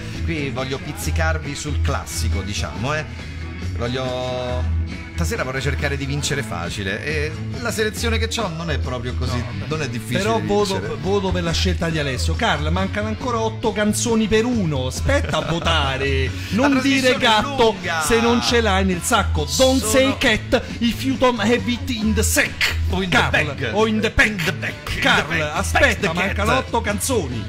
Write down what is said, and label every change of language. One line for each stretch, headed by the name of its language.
Italian: Qui voglio pizzicarvi sul classico, diciamo, Voglio. Stasera vorrei cercare di vincere facile. E la selezione che ho non è proprio così. No, non è difficile. Però voto per la scelta di Alessio. Carl, mancano ancora 8 canzoni per uno. Aspetta a votare. Non dire gatto se non ce l'hai nel sacco.
English: Don't say cat if you don't have it in the sack. O in the bag.
Italian: Carl, aspetta, mancano 8 canzoni.